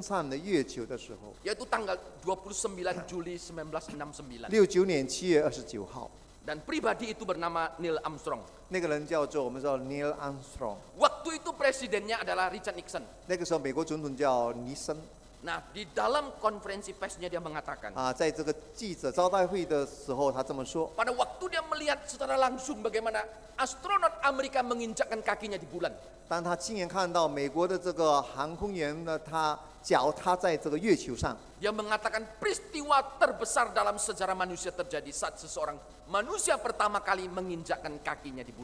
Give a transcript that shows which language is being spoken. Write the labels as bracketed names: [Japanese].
[Chinese] 当人类第一次登上了月球的时候。 [Indonesian] Yaitu tanggal 29 Juli 1969. [Chinese] 69年7月29号。 [Indonesian] Dan pribadi itu bernama Neil Armstrong. [Chinese] 那个人叫做我们叫 Neil Armstrong. [Indonesian] Waktu itu presidennya adalah Richard Nixon. [Chinese] 那个时候美国总统叫尼森。 [Indonesian] Nah, di dalam konferensi persnya dia mengatakan. [Chinese] 在这个记者招待会的时候，他这么说。 [Indonesian] Pada waktu dia melihat secara langsung bagaimana astronot Amerika menginjakkan kakinya di bulan. [Chinese] 当他亲眼看到美国的这个航空员呢，他脚踏在这个月球上。 [Indonesian] Dia mengatakan peristiwa terbesar dalam sejarah manusia terjadi saat seseorang manusia pertama kali menginjakkan kakinya di bulan.